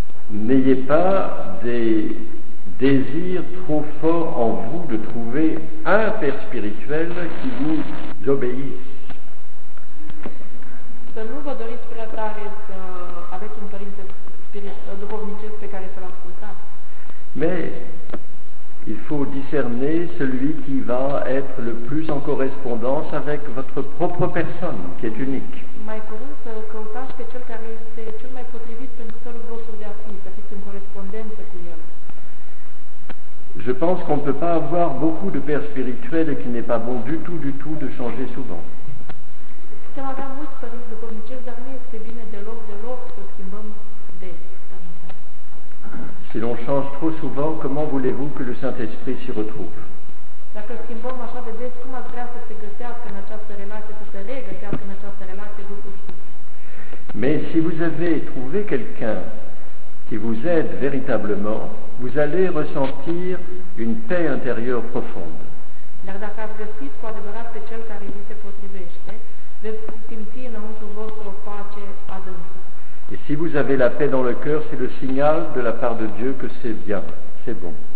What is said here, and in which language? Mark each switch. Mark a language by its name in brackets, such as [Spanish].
[French] N'ayez pas des désirs trop forts en vous de trouver un père spirituel qui vous obéisse. [Romanian] Să nu vă doriți prea tare să aveți un părinte duhovnicesc pe care să-l ascultați. [French] Mais il faut discerner celui qui va être le plus en correspondance avec votre propre personne, qui est unique. [Romanian] Mai curând să căutați pe cel care este cel mai potrivit pentru felul vostru de a fi, să fiți în corespondență cu el. [French] Je pense qu'on ne peut pas avoir beaucoup de pères spirituels et qu'il n'est pas bon du tout de changer souvent. [Romanian] Putem avea mulți părinți duhovnicesc, dar nu este bine deloc să schimbăm des. [French] Si l'on change trop souvent, comment voulez-vous que le Saint-Esprit s'y retrouve ? [Romanian] Dacă schimbăm așa de des, cum ar vrea să se găsească în această relație, să se regăsească în această relație Duhul Sfânt? [French] Mais si vous avez trouvé quelqu'un qui vous aide véritablement, vous allez ressentir une paix intérieure profonde. [Romanian] Dar dacă ați găsit cu adevărat pe cel care vi se potrivește, veți simți înăuntru vostru o pace adâncă. [French] Et si vous avez la paix dans le cœur, c'est le signal de la part de Dieu que c'est bien, c'est bon.